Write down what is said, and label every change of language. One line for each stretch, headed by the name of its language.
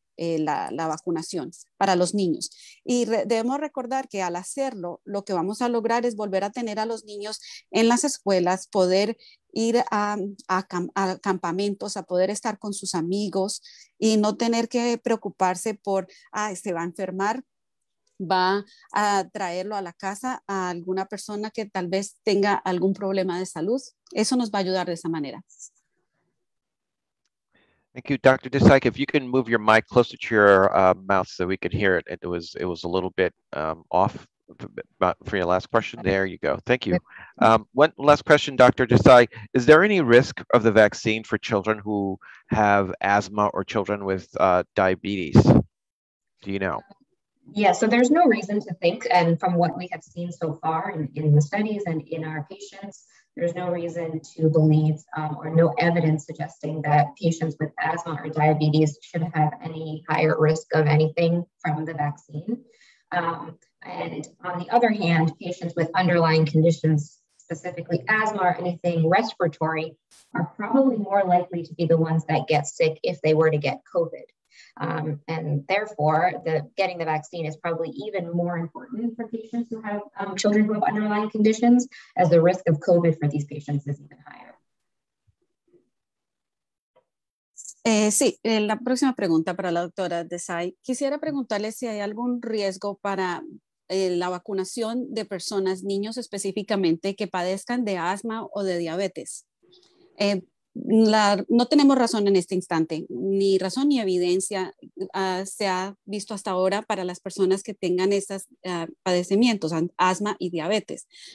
Spanish: La vacunación para los niños. Y debemos recordar que al hacerlo, lo que vamos a lograr es volver a tener a los niños en las escuelas, poder ir a campamentos, a poder estar con sus amigos y no tener que preocuparse por, se va a enfermar, va a traerlo a la casa a alguna persona que tal vez tenga algún problema de salud. Eso nos va a ayudar de esa manera.
English: Thank you, Dr. Desai. If you can move your mic closer to your mouth so we can hear it. It was a little bit off for your last question. There you go. Thank you. One last question, Dr. Desai. Is there any risk of the vaccine for children who have asthma or children with diabetes? Do you know? Yeah, so there's no reason to think, and from what we have seen so far in the studies and in our patients, there's no reason to believe or no evidence suggesting that patients with asthma or diabetes should have any higher risk of anything from the vaccine. And on the other hand, patients with underlying conditions, specifically asthma or anything respiratory, are probably more likely to be the ones that get sick if they were to get COVID. And therefore, getting the vaccine is probably even more important for patients who have children who have underlying conditions, as the risk of COVID for these patients is even higher.
Spanish: Sí, la próxima pregunta para la doctora Desai. Quisiera preguntarle si hay algún riesgo para la vacunación de personas, niños específicamente, que padezcan de asma o de diabetes. No tenemos razón en este instante, ni razón ni evidencia se ha visto hasta ahora para las personas que tengan esos padecimientos, asma y diabetes.